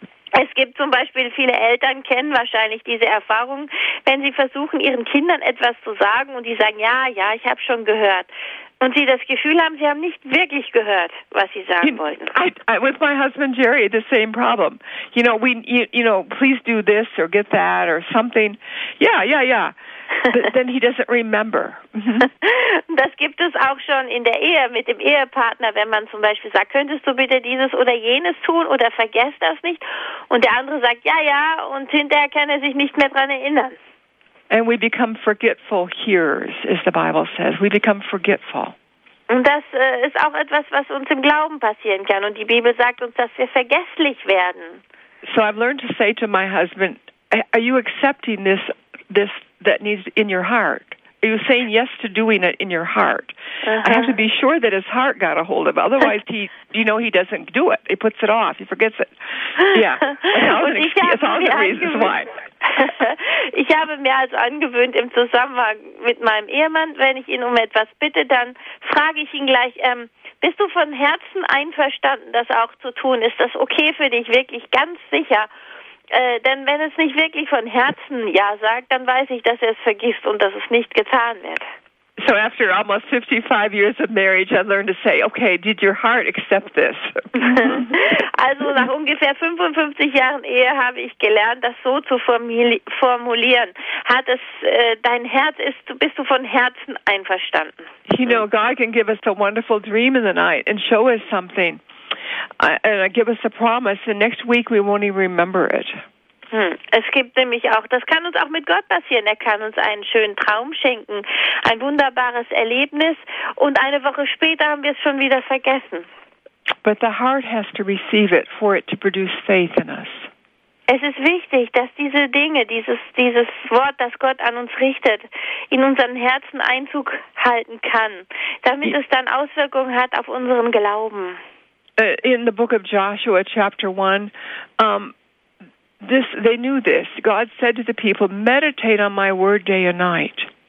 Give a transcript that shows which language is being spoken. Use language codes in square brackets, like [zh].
[de] Es gibt zum Beispiel, viele Eltern kennen wahrscheinlich diese Erfahrung, wenn sie versuchen, ihren Kindern etwas zu sagen und die sagen, ja, ich habe schon gehört. Und sie das Gefühl haben, sie haben nicht wirklich gehört, was sie sagen wollten. [en] With my husband Jerry, the same problem. You know, please do this or get that or something. Yeah. Then he doesn't remember. [de] Das gibt es auch schon in der Ehe mit dem Ehepartner, wenn man zum Beispiel sagt, könntest du bitte dieses oder jenes tun oder vergesst das nicht? Und der andere sagt, ja, und hinterher kann er sich nicht mehr dran erinnern. [en] And we become forgetful hearers, as the Bible says. We become forgetful. [de] Und das ist auch etwas, was uns im Glauben passieren kann. Und die Bibel sagt uns, dass wir vergesslich werden. [en] So I've learned to say to my husband, are you accepting this that needs in your heart? Are you saying yes to doing it in your heart? Uh-huh. I have to be sure that his heart got a hold of it. Otherwise, he doesn't do it. He puts it off. He forgets it. Yeah. A thousand reasons why. [de] Ich habe mir also angewöhnt, im Zusammenhang mit meinem Ehemann, wenn ich ihn um etwas bitte, dann frage ich ihn gleich, bist du von Herzen einverstanden, das auch zu tun? Ist das okay für dich, wirklich ganz sicher? Denn wenn es nicht wirklich von Herzen ja sagt, dann weiß ich, dass er es vergisst und dass es nicht getan wird. [en] So after almost 55 years of marriage, I learned to say, okay, did your heart accept this? [de] Also nach ungefähr 55 Jahren Ehe habe ich gelernt, das so zu formulieren. Hat es dein Herz, bist du von Herzen einverstanden? [en] You know, God can give us a wonderful dream in the night and show us something. And give us a promise, and next week we won't even remember it. [de] Es gibt nämlich auch, das kann uns auch mit Gott passieren, er kann uns einen schönen Traum schenken, ein wunderbares Erlebnis, und eine Woche später haben wir es schon wieder vergessen. [en] But the heart has to receive it for it to produce faith in us. [de] Es ist wichtig, dass diese Dinge, dieses Wort, das Gott an uns richtet, in unseren Herzen Einzug halten kann, damit es dann Auswirkungen hat auf unseren Glauben. [en] In the book of Joshua, chapter 1, they knew this. God said to the people, meditate on my word day and night.